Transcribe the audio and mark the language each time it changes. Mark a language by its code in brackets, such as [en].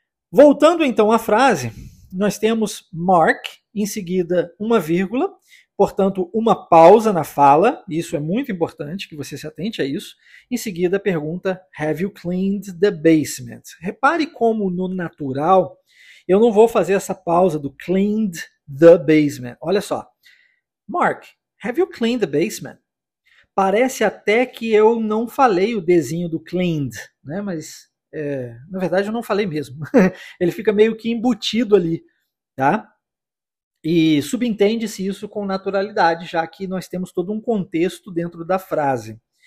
[pt] Voltando então à frase, nós temos mark em seguida uma vírgula, portanto, uma pausa na fala, isso é muito importante que você se atente a isso. Em seguida, pergunta: [en] Have you cleaned the basement? [pt] Repare como no natural eu não vou fazer essa pausa do [en] cleaned the basement. [pt] Olha só. [en] Mark, have you cleaned the basement? [pt] Parece até que eu não falei o dzinho do cleaned, né? Mas na verdade eu não falei mesmo. Ele fica meio que embutido ali, tá? E subentende-se isso com naturalidade, já que nós temos todo um contexto dentro da frase.